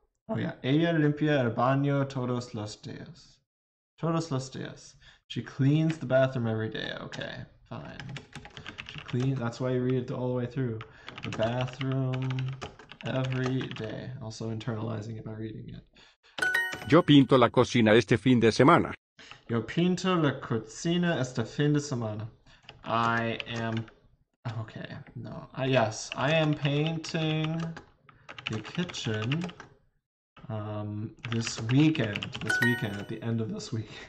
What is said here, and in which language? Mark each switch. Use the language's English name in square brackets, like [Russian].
[Spanish] Oh yeah, ella limpia el baño todos los días. Todos los días. [English] She cleans the bathroom every day. Okay, fine. She cleans, that's why you read it all the way through. The bathroom every day. Also internalizing it by reading it. [Spanish] Yo pinto la cocina este fin de semana. Yo pinto la cocina este fin de semana. [English] I am... Okay, no. Yes, I am painting the kitchen this weekend. This weekend, at the end of this week.